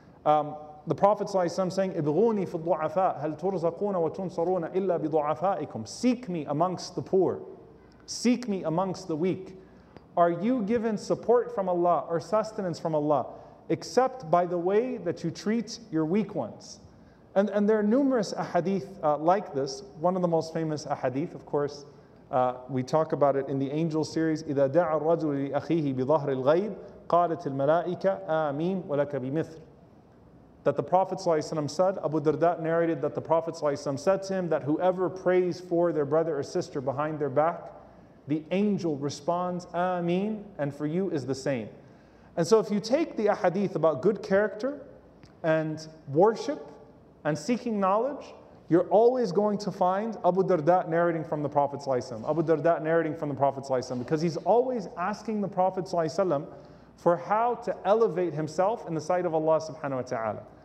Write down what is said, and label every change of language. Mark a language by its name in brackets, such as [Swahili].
[English] The Prophet ﷺ saying, [Arabic] ابغوني في الضعفاء هل ترزقون وتنصرون إلا بضعفائكم. [English] Seek me amongst the poor. Seek me amongst the weak. Are you given support from Allah or sustenance from Allah except by the way that you treat your weak ones? And there are numerous ahadith like this. One of the most famous ahadith, of course, we talk about it in the angel series. [Arabic] إذا دع الرجل لأخيه بظهر الغيب قالت الملائكة آمين ولك بمثل. [English] That the Prophet ﷺ said, Abu Darda narrated that the Prophet ﷺ said to him that whoever prays for their brother or sister behind their back, the angel responds, Ameen, and for you is the same. And so if you take the ahadith about good character and worship and seeking knowledge, you're always going to find Abu Darda narrating from the Prophet ﷺ, Abu Darda narrating from the Prophet ﷺ, because he's always asking the Prophet ﷺ for how to elevate himself in the sight of Allah subhanahu wa ta'ala.